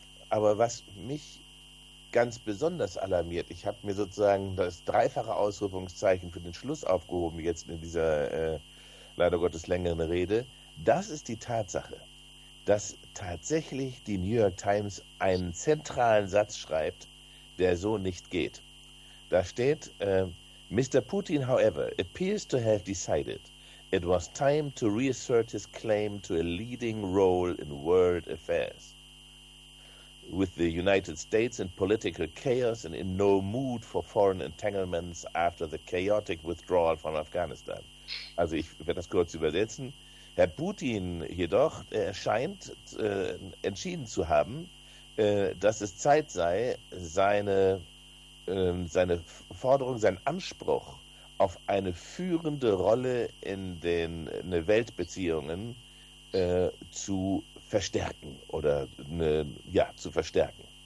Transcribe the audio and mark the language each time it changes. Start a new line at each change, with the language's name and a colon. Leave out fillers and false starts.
German: Aber was mich ganz besonders alarmiert, ich habe mir sozusagen das dreifache Ausrufungszeichen für den Schluss aufgehoben, jetzt in dieser leider Gottes längeren Rede, das ist die Tatsache, dass tatsächlich die New York Times einen zentralen Satz schreibt, der so nicht geht. Da steht, Mr.
English: Putin, however, appears to have decided it was time to reassert his claim to a leading role in world affairs. With the United States in political chaos and in no mood for foreign entanglements after the chaotic withdrawal from Afghanistan.
German: Also ich werde das kurz übersetzen. Herr Putin jedoch scheint entschieden zu haben, dass es Zeit sei, seine Forderung, seinen Anspruch auf eine führende Rolle in Weltbeziehungen zu verstärken oder zu verstärken.